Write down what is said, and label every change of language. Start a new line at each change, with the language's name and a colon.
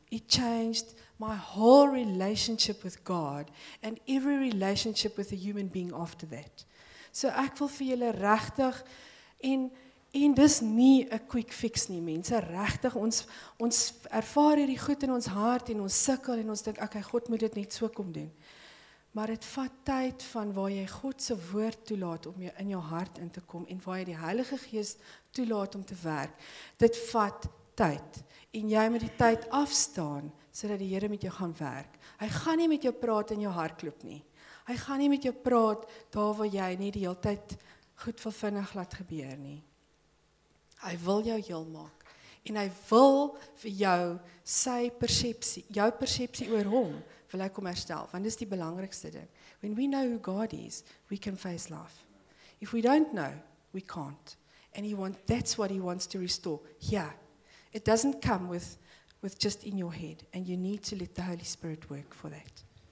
English: It changed my whole relationship with God and every relationship with a human being after that.
Afrikaans: So ek wil vir julle regtig en dis nie 'n quick fix nie, mense. Regtig ons ervaar hierdie goed in ons hart en ons sukkel en ons dink okay, God moet dit net so kom doen. Maar dit vat tyd van waar jy God se woord toelaat om in jou hart in te kom en waar jy die Heilige Gees toelaat om te werk. Dit vat tyd. En jy moet die tyd afstaan sodat die Here met jou gaan werk. Hy gaan nie met jou praat in jou hart klop nie. Hy gaan nie met jou praat daar waar jy nie die hele tyd goed wil vinnig laat gebeur nie. Hy wil jou heel maak en hy wil vir jou sy persepsie, jou persepsie oor hom wil hy kom herstel, want dis die belangrikste ding.
English: When we know who God is, we can face life. If we don't know, we can't. And that's what he wants to restore. Yeah. It doesn't come with just in your head. And you need to let the Holy Spirit work for that.